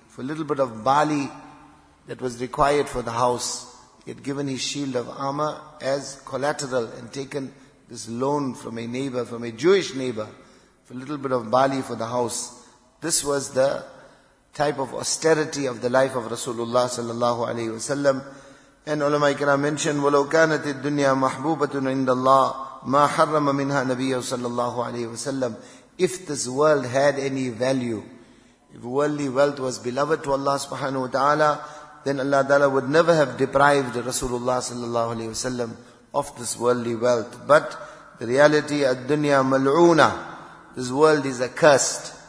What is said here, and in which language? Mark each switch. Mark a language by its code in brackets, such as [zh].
[en] For a little bit of barley that was required for the house. He had given his shield of armor as collateral and taken this loan from a neighbor, from a Jewish neighbor, for a little bit of barley for the house. This was the type of austerity of the life of Rasulullah sallallahu alayhi wa sallam. And ulama ikram mentioned, [ar] وَلَوْ كَانَتِ الدُّنْيَا مَحْبُوبَةٌ عِنْدَ اللَّهِ مَا حَرَّمَ مِنْهَا نَبِيَّهُ sallallahu alayhi wa sallam. [en] If this world had any value, if worldly wealth was beloved to Allah subhanahu wa ta'ala, then Allah ta'ala would never have deprived Rasulullah sallallahu alayhi wa sallam of this worldly wealth. But the reality, [ar] ad-dunya mal'una, [en] this world is accursed.